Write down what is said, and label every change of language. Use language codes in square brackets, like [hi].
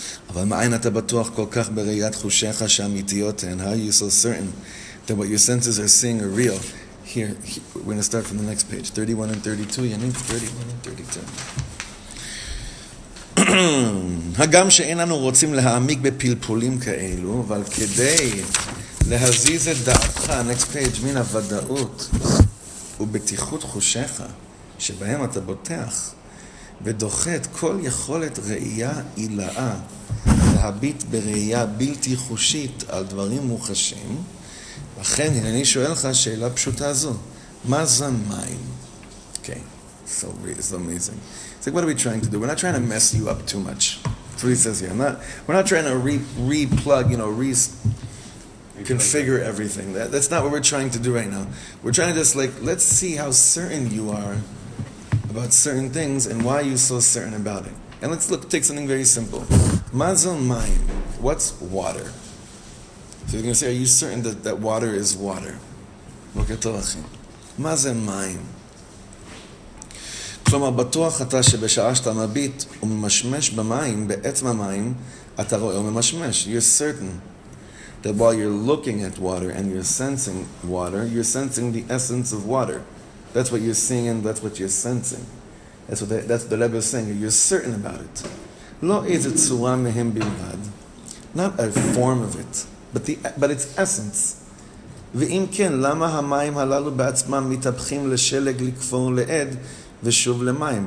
[he] אבל מאין אתה בטוח כל כך בראיית חושך שאמיתיות הן? [en] How are you so certain that what your senses are seeing are real? Here, we're going to start from the next page. 31 and 32, you need 31 and 32. [he] הגם שאין אנו רוצים להעמיק בפלפולים כאלו, אבל כדי להזיז את דעתך, [en] next page, [he] מן הוודאות ובטיחות חושך, שבהם אתה בוטח ודוחה את כל יכולת ראייה אילאה להביט בראייה בלתי חושית על דברים מוחשים, לכן אני שואל לך שאלה פשוטה זו, מה זה מים? [en] Okay, so it's amazing. It's like, what are we trying to do? We're not trying to mess you up too much. That's what he says here. We're not trying to re-plug, you know, configure everything. That's not what we're trying to do right now. We're trying to just, like, let's see how certain you are about certain things and why you're so certain about it. And let's look, take something very simple. [he] Mazel mayim. [en] What's water? So you're going to say, are you certain that water is water? [he] Mazel mayim. כלומר, בטוח אתה שבשעה שאתה מביט וממשמש במים, בעצם המים, אתה רואה וממשמש. [en] You're certain that while you're looking at water and you're sensing water, you're sensing the essence of water. That's what you're seeing and that's what you're sensing. That's what the Rebbe is saying. You're certain about it. [he] לא איזה צורה מהם בלבד. [en] Not a form of it, but its essence. [he] ואם כן, למה המים הללו בעצמם מתהפכים לשלג לכפור לעד, ושוב למים.